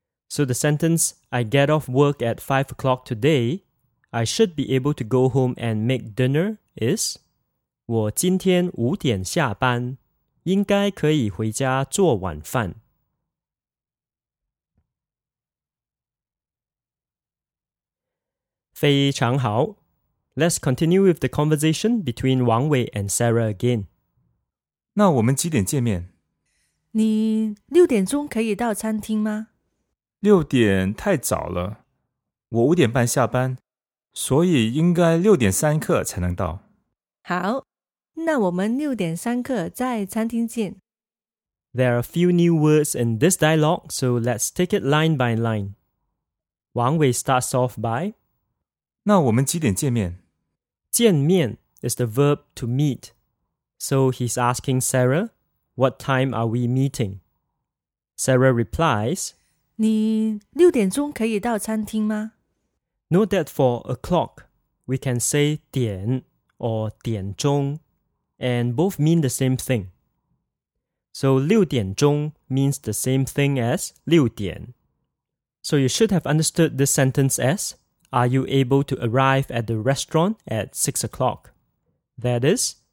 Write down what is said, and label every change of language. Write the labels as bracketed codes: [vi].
[en] So the sentence, I get off work at 5 o'clock today, I should be able to go home and make dinner is [zh] 我今天五点下班，应该可以回家做晚饭。 [en] 非常好。 Let's continue with the conversation between Wang Wei and Sarah again. [zh] 那我们几点见面？你六点钟可以到餐厅吗？六点太早了，我五点半下班，所以应该六点三刻才能到。好，那我们六点三刻在餐厅见。 [en] There are a few new words in this dialogue, so let's take it line by line. Wang Wei starts off by [zh] 那我们几点见面？ [en] 见面 is the verb to meet. So he's asking Sarah, what time are we meeting? Sarah replies, [zh] 你六点钟可以到餐厅吗? [en] Note that for o'clock, we can say 点 or 点钟, and both mean the same thing. So 六点钟 means the same thing as 六点. So you should have understood this sentence as, are you able to arrive at the restaurant at 6 o'clock? That is,